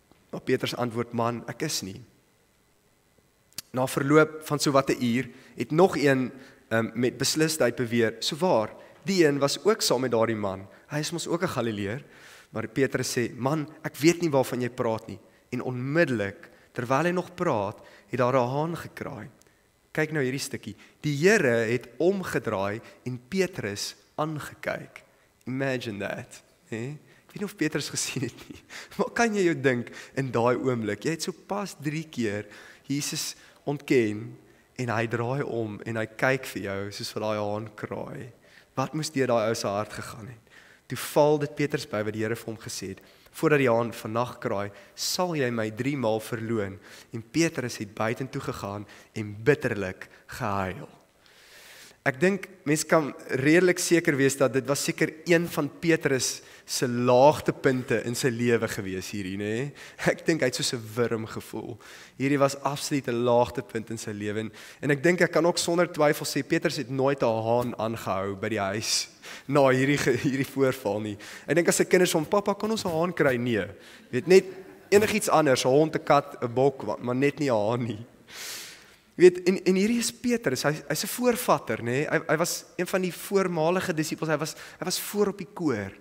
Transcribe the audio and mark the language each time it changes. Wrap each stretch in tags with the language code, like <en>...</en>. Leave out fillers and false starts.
<af>Maar Petrus antwoord, man, ek is nie. Na verloop van so wat 'n uur het nog een met beslisheid beweer, so waar, die een was ook saam met daardie man, hy is ons ook 'n Galileer. Maar Petrus sê, man, ek weet nie waarvan jy praat nie. En onmiddellik, terwyl hy nog praat, het daar 'n haan gekraai. Kyk nou hierdie stukkie. Die Here het omgedraai en Petrus aangekyk.</af> <en>Imagine that.</en> <af>Ek weet nie of Petrus gesien het nie. Maar kan jy jou dink in daai oomblik? Jy het so pas 3 keer Jesus ontken en hy draai om en hy kyk vir jou soos vir daai haan kraai. Wat moes deur daai ou se hart gegaan het? Toe val dit Petrus by wat die Here vir hom gesê het, voordat die haan vannag kraai, sal jy my 3 maal verloon. En Petrus het buitentoe gegaan en bitterlik gehuil. Ek dink, mens kan redelik seker wees dat dit was seker een van Petrus se laagtepunte in sy lewe gewees hierdie, nê? Ek dink, hy het soos 'n wurm gevoel. Hierdie was absoluut 'n laagtepunt in sy lewe. En ek dink, ek kan ook sonder twyfel sê, Petrus het nooit 'n haan aangehou by die huis na hierdie voorval nie. Ek dink, as sy kinders van, papa, kan ons 'n haan kry? Nee. Weet, net enig iets anders, 'n hond, 'n kat, 'n bok, maar net nie 'n haan nie. Weet, en hierdie is Petrus, hy is 'n voorvatter, nee? hy was een van die voormalige disciples, hy was voor op die koor.</af>